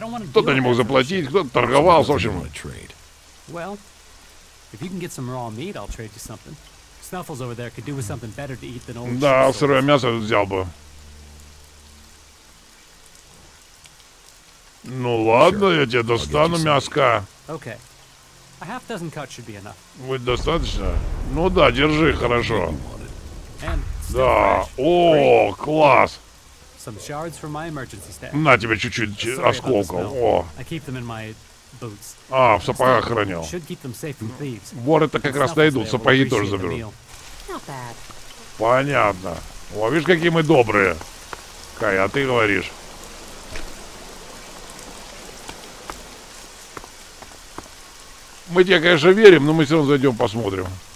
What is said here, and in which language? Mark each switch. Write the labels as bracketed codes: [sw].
[ru] Кто-то не мог заплатить, кто-то торговался, в общем. [en] If you can get some raw meat, I'll trade you something. Snuffles over there could do with something better to eat than old. [ru] Да, сырое мясо взял бы. Ну ладно, я тебе достану мяска. [en] Okay. A half dozen cuts should be enough. [ru] Будет достаточно? Ну да, держи, хорошо. Да. О, класс. [en] Some shards for my emergency stash. [ru] На тебе чуть-чуть осколков. О. [en] I keep them in my [ru] А, в сапогах хранил. Вор это как раз найдут, сапоги тоже заберу. Понятно. О, видишь, какие мы добрые. Кай, а ты говоришь. Мы тебе, конечно, верим, но мы все равно зайдем, посмотрим.